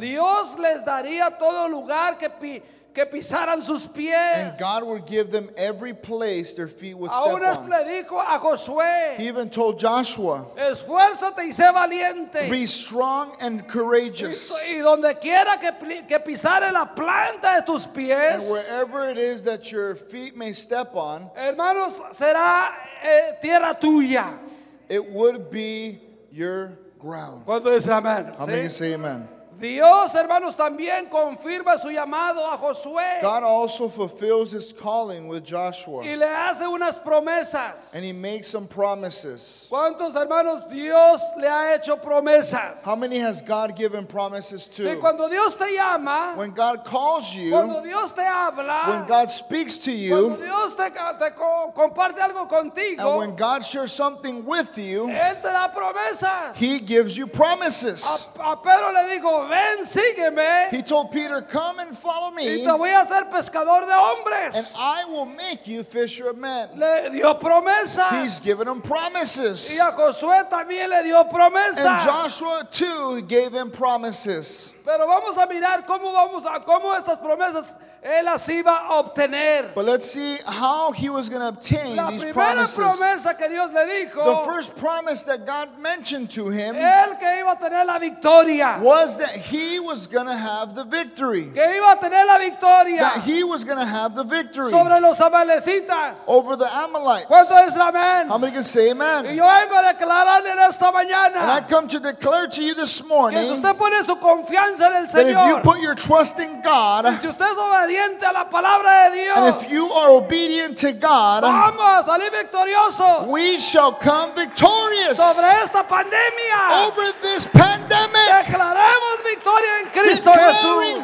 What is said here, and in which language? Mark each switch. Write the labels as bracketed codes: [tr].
[es] Dios les daría todo lugar que que pisaran sus pies. [en] And God would give them every place their feet would step on. [es] Le dijo a Josué, [en] he even told Joshua, [es] esfuérzate y sé valiente. [en] Be strong and courageous. [es] Y donde quiera que pisare la planta de tus pies, [en] and wherever it is that your feet may step on, [es] hermanos, será tierra tuya. [en] It would be your ground. [es] ¿Cuánto dice amén? [en] How many say amen? [es] Dios, hermanos, también confirma su llamado a Josué. [en] God also fulfills his calling with Joshua. [es] Y le hace unas promesas. [en] And he makes some promises. [es] ¿Cuántos, hermanos, Dios le ha hecho promesas? [en] How many has God given promises to? [es] Sí, cuando Dios te llama. [en] When God calls you. [es] Cuando Dios te habla. [en] When God speaks to you. [es] Cuando Dios te comparte algo contigo. [en] And when God shares something with you. [es] Él te da promesas. [en] He gives you promises. [es] A Pedro le dijo, ven, sígueme. [en] He told Peter, come and follow me. [es] Y te voy a hacer pescador de hombres. [en] And I will make you fisher of men. [es] Le dio promesas. [en] He's given him promises. [es] Y a Josué también le dio promesas. [en] And Joshua too gave him promises. [es] Pero vamos a mirar cómo estas promesas él las iba a obtener. [en] But let's see how he was going to obtain [es] la [en] these promises. [es] Promesa que Dios le dijo, [en] the first promise that God mentioned to him, [es] él que iba a tener la victoria, [en] was that he was going to have the victory. [es] Que iba a tener la victoria, [en] that he was going to have the victory [es] sobre los amalecitas, [en] over the Amalites. [es] ¿Cuánto es amén? [en] How many can say amen? [es] Y yo vengo a declararle en esta mañana, [en] and I come to declare to you this morning, [es] que si usted pone su confianza en el [en] that [es] Señor, [en] if you put your trust in God, [es] y si usted sobre [en] and if you are obedient to God, [es] vamos, salir victoriosos. [en] We shall come victorious [es] sobre esta pandemia. [en] Over this pandemic. [es] Declaremos victoria en Cristo Jesús.